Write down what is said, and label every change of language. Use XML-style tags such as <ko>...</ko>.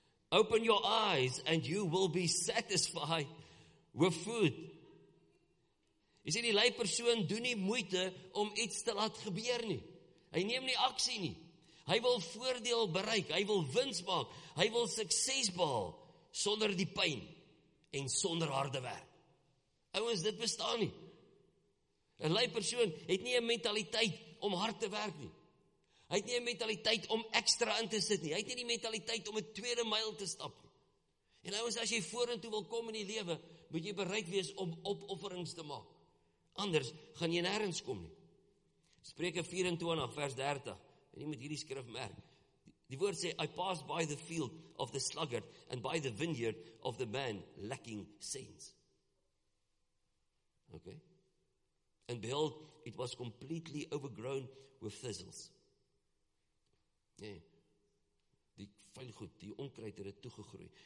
<en>Open your eyes and you will be satisfied with food.</en> <af>Jy sê die lei persoon doen nie moeite om iets te laat gebeur nie. Hy neem nie aksie nie. Hy wil voordeel bereik, hy wil wins maak, hy wil sukses behaal, sonder die pyn en sonder harde werk. Ouens, dit bestaan nie. Een lei persoon het nie een mentaliteit om hard te werk nie. Hy het nie een mentaliteit om extra in te sit nie. Hy het nie die mentaliteit om 'n tweede myl te stap nie. En ouens, as jy vorentoe wil kom in die lewe, moet jy bereid wees om opofferings te maak. Anders gaan jy nêrens kom nie. Spreuke 24 vers 30. En jy moet hierdie skrif merk. Die woord sê,</af> <en>I pass by the field of the sluggard and by the vineyard of the man lacking sense. Okay. And behold, it was completely overgrown with thistles.</en> <af>Nee, die fyngoed, die onkruid het toegegroei.</af>